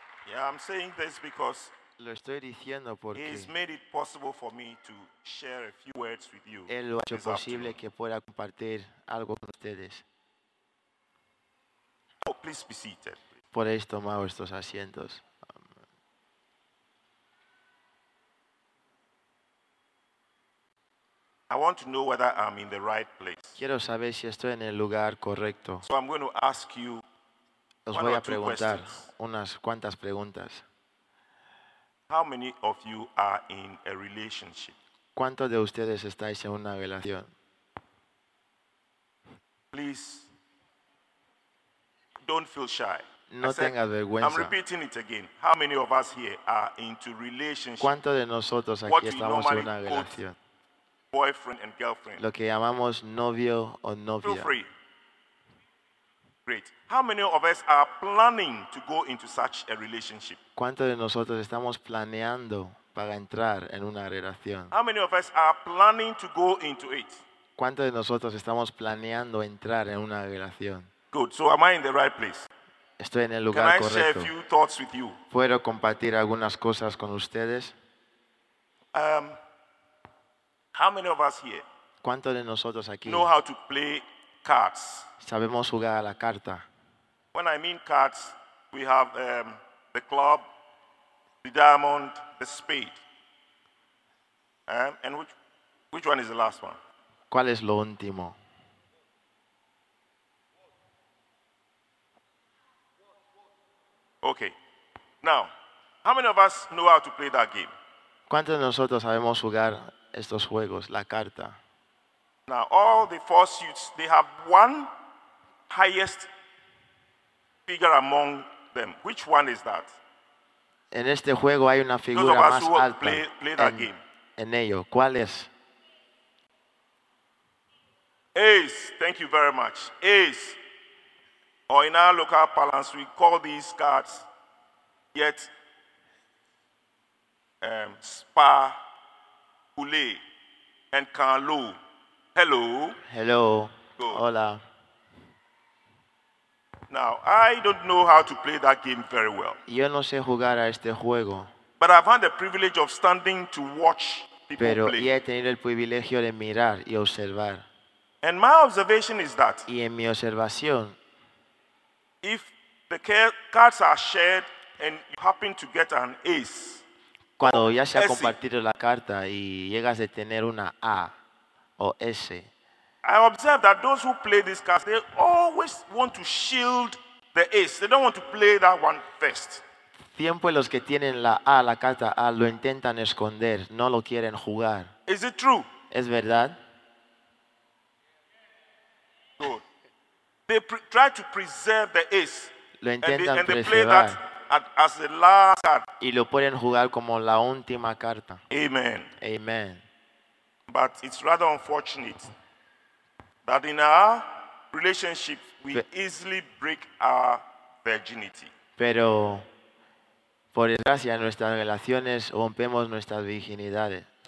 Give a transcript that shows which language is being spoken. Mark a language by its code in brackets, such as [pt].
[en] Yeah, I'm saying this because [es] lo estoy diciendo porque [en] he's made it possible for me to share a few words with you. [es] Él lo ha hecho posible que pueda compartir algo con ustedes. [en] Oh, please be seated. [es] Podéis tomar vuestros asientos. [en] I want to know whether I'm in the right place. [es] Quiero saber si estoy en el lugar correcto. [en] So I'm going to ask you. [es] Os voy a preguntar unas cuantas preguntas. [en] How many of you are in a relationship? [es] ¿Cuántos de ustedes estáis en una relación? [en] Please don't feel shy. [es] No tengas vergüenza. [en] I'm repeating it again. How many of us here are into relationships? [es] ¿Cuántos de nosotros aquí estamos en una relación? [en] Boyfriend and girlfriend. [es] Lo que llamamos novio o novia. [en] Feel free. Great. How many of us are planning to go into such a relationship? [es] ¿Cuántos de nosotros estamos planeando para entrar en una relación? [en] How many of us are planning to go into it? [es] ¿Cuántos de nosotros estamos planeando entrar en una relación? [en] Good. So am I in the right place? [es] Estoy en el lugar correcto. [en] Can I share a few thoughts with you? [es] ¿Puedo compartir algunas cosas con ustedes? [en] How many of us here? [es] ¿Cuántos de nosotros aquí? [en] Know how to play cards. [es] Sabemos jugar a la carta. [en] When I mean cards, we have the club, the diamond, the spade. And which one is the last one? [es] ¿Cuál es lo último? [en] Okay. Now, how many of us know how to play that game? [es] ¿Cuántos de nosotros sabemos jugar estos juegos, la carta? [en] Now, all the four suits, they have one highest figure among them. Which one is that? [es] En este juego hay una figura más alta [en] play that game. [es] En ello. ¿Cuál es? [en] Ace. Thank you very much. Ace. Or in our local parlance, we call these cards yet spa, ule, and kalu. Hello. Hello. Good. [es] Hola. [en] Now, I don't know how to play that game very well. [es] Yo no sé jugar a este juego. [en] But I've had the privilege of standing to watch people [es] pero [en] play. [es] Pero he tenido el privilegio de mirar y observar. [en] And my observation is that [es] y en mi observación, [en] if the cards are shared and you happen to get an ace, [es] cuando ya se ha compartido la carta y llegas a tener una A o S, [en] I observe that those who play these cards, they always want to shield the ace. They don't want to play that one first. [es] Siempre los que tienen la A, la carta A, lo intentan esconder, no lo quieren jugar. [en] Is it true? [es] ¿Es verdad? [en] Good. They try to preserve the ace. [es] Lo intentan [en] and They play that as the last card. [es] Y lo pueden jugar como la última carta. Amen. Amen. [en] But it's rather unfortunate that in our relationship we easily break our virginity. [es] Pero por desgracia en nuestras relaciones rompemos nuestras virginidades.